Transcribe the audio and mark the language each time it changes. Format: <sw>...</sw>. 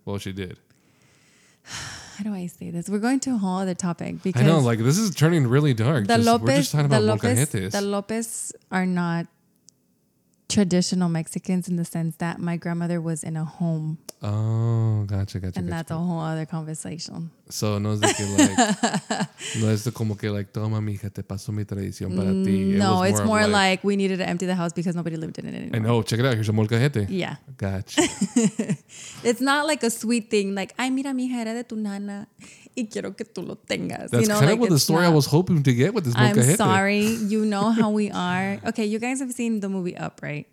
<en>well, she did. How do I say this? We're going to a whole other topic. Because I know, like, this is turning really dark. The Lopez, we're just talking about molcajetes. The Lopez are not traditional Mexicans in the sense that my grandmother was in a home. Oh, gotcha. And gotcha. That's a whole other conversation.</en> <es>So, no es de que, like, no es de como que, like, toma, mija, te paso mi tradición para ti.</es> <en>No, it's more like we needed to empty the house because nobody lived in it anymore. I know. Check it out. Here's a molcajete. Yeah. Gotcha. It's not like a sweet thing.</en> <es>Like, ay, mira, mija, era de tu nana y quiero que tú lo tengas.</es> <en>That's, you know, kind like of what the story not, I was hoping to get with this molcajete. I'm sorry. You know how we are. Okay, you guys have seen the movie Up, right?</en>